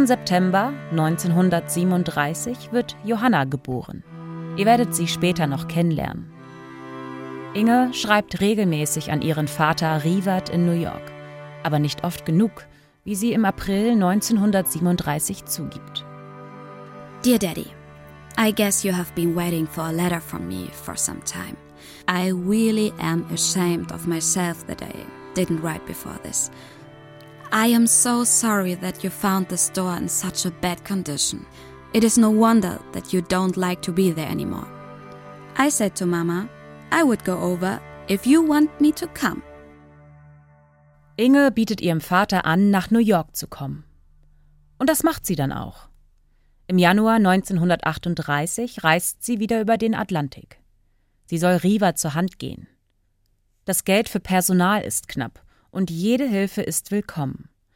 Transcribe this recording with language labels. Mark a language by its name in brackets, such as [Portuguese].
[German] September 1937 wird Johanna geboren. Ihr werdet sie später noch kennenlernen. Inge schreibt regelmäßig an ihren Vater Rivard in New York. Aber nicht oft genug, wie sie im April 1937 zugibt. [English] Dear Daddy, I guess you have been waiting for a letter from me for some time. I really am ashamed of myself that I didn't write before this. I am so sorry that you found the store in such a bad condition. It is no wonder that you don't like to be there anymore. I said to Mama, I would go over if you want me to come. [German] Inge bietet ihrem Vater an, nach New York zu kommen. Und das macht sie dann auch. Im Januar 1938 reist sie wieder über den Atlantik. Sie soll Rivard zur Hand gehen. Das Geld für Personal ist knapp und jede Hilfe ist willkommen.